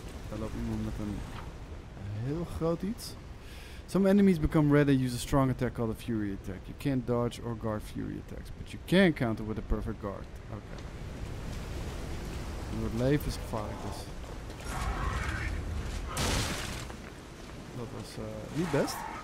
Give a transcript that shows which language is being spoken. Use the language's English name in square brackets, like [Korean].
[Dutch] Daar loopt iemand met een heel groot iets. [English] Some enemies become red and use a strong attack called a fury attack. You can't dodge or guard fury attacks, but you can counter with a perfect guard. [Dutch] Oké. Het leven is gevaarlijk, dus. Dat was niet best.